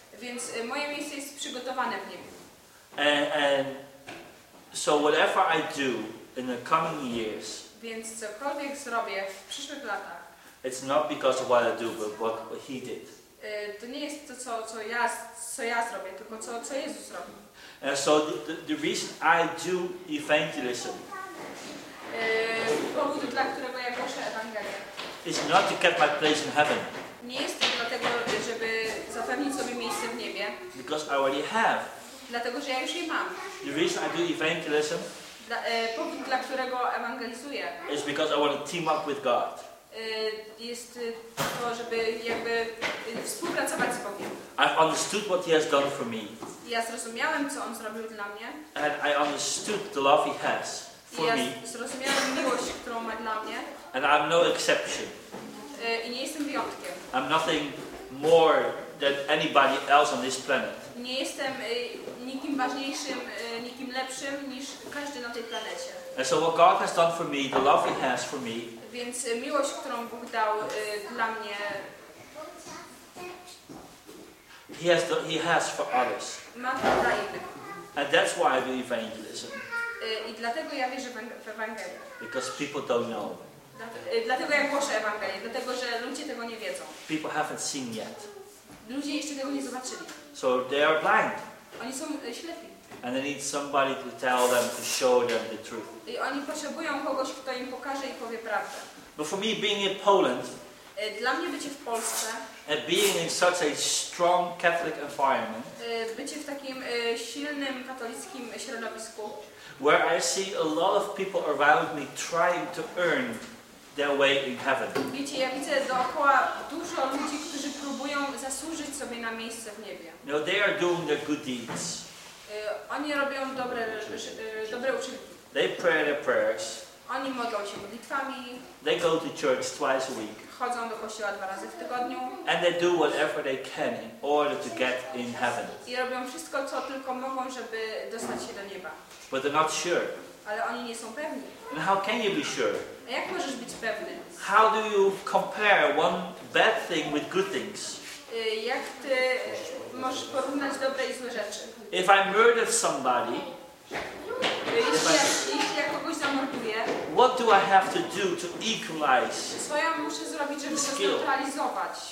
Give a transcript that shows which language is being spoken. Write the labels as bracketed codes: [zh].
[pl] Więc moje miejsce jest przygotowane w niebie. [en] And so whatever I do in the coming years. [pl] Więc cokolwiek zrobię w przyszłych latach. [en] It's not because of what I do, but what He did. [pl] To nie jest to, co ja zrobię, tylko co Jezus zrobił. [en] So the reason I do evangelism. [pl] Powód, dla którego ja głoszę Ewangelię. [en] Is not to get my place in heaven. [pl] Nie jest to dlatego, żeby zapewnić sobie miejsce w niebie. [en] Because I already have. [pl] Dlatego, że ja już jej mam. [en] The reason I do evangelism. [pl] Powód, dla którego ewangelizuję. [en] Is because I want to team up with God. [pl] Jest to, żeby jakby współpracować z Bogiem. [en] I've understood what He has done for me. [pl] Ja zrozumiałem, co On zrobił dla mnie. [en] And I understood the love He has for me. [pl] Zrozumiałem miłość, którą ma dla mnie. [en] And I'm no exception. [pl] I nie jestem wyjątkiem. [en] I'm nothing more than anybody else on this planet. [pl] Nie jestem nikim ważniejszym, nikim lepszym niż każdy na tej planecie. [en] And so what God has done for me, the love He has for me. [pl] Więc miłość, którą Bóg dał dla mnie. [en] He has for others. [pl] Ma to dla innych. [en] And that's why I do evangelism. [pl] I dlatego ja wierzę w Ewangelię. [en] Because people don't know. [pl] Dlatego ja głoszę Ewangelię, dlatego że ludzie tego nie wiedzą. [en] People haven't seen yet. [pl] Ludzie jeszcze tego nie zobaczyli. [en] So they are blind. [pl] Oni są ślepi. [en] And they need somebody to tell them, to show them the truth. [pl] I oni potrzebują kogoś, kto im pokaże i powie prawdę. [en] But for me, being in Poland, [pl] dla mnie bycie w Polsce, [en] and being in such a strong Catholic environment, [pl] bycie w takim silnym katolickim środowisku, [en] where I see a lot of people around me trying to earn their way in heaven. [pl] Wiecie, ja widzę dookoła dużo ludzi, którzy próbują zasłużyć sobie na miejsce w niebie. [en] No, they are doing their good deeds. [pl] Oni robią dobre uczynki. [en] They pray their prayers. [pl] Oni modlą się modlitwami. [en] They go to church twice a week. [pl] Chodzą do kościoła dwa razy w tygodniu. [en] And they do whatever they can in order to get in heaven. [pl] I robią wszystko, co tylko mogą, żeby dostać się do nieba. [en] But they're not sure. [pl] Ale oni nie są pewni. [en] And how can you be sure? [pl] A jak możesz być pewny? [en] How do you compare one bad thing with good things? [pl] Jak ty możesz porównać dobre i złe rzeczy? [en] If I murdered somebody, [pl] jeśli ja kogoś zamorduję, [en] what do I have to do to equalize? [pl] Co ja muszę zrobić, żeby skill. To neutralizować?